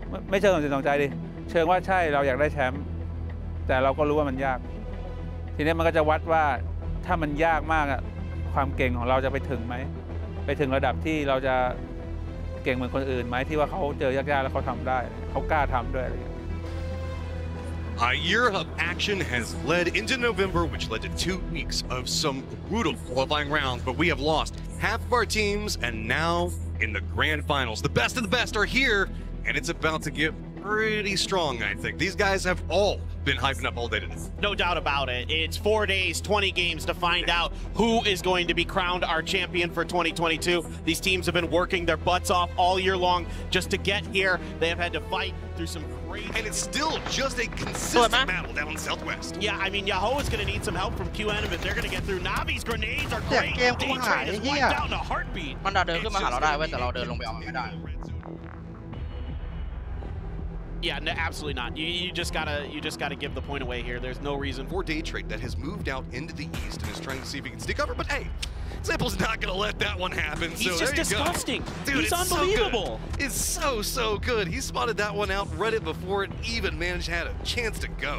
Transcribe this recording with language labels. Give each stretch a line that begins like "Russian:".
Thai: ไม่เชิงสนใจดิเชิงว่าใช่เราอยากได้แชมป์แต่เราก็รู้ว่ามันยากทีนี้มันก็จะวัดว่าถ้ามันยากมากอ่ะความเก่งของเราจะไปถึงไหมไปถึงระดับที่เราจะเก่งเหมือนคนอื่นไหมที่ว่าเขาเจอยากๆแล้วเขาทำได้เขากล้าทำด้วยอะไรอย่างเงี้ย
English: A year of action has led into November, which led to 2 weeks of some brutal qualifying rounds, but we have lost half of our teams, and now in the grand finals, the best of the best are here, and it's about to get pretty strong. I think these guys have all. Been hyping up all day today. No doubt about it. It's 4 days, 20 games to find out who is going to be crowned our champion for 2022. These teams have been working their butts off all year long just to get here. They have had to fight through some crazy. And it's still just a consistent battle down in the southwest. Yeah, I mean, Yahoo is going to need some help from QN if they're going to get through. Navi's grenades are great. Game is wiped down a heartbeat.
Thai: มันจะเดินขึ้นมาหาเราได้เว้ยแต่เราเดินลงไปเอามันไม่ได้
English: Yeah, no, absolutely not. You just gotta give the point away here. There's no reason for Daytrade that has moved out into the east and is trying to see if he can stick over. But hey, Sample's not gonna let that one happen. He's so just disgusting. Dude, he's unbelievable. It's so good. He spotted that one out, read it before it even managed had a chance to go.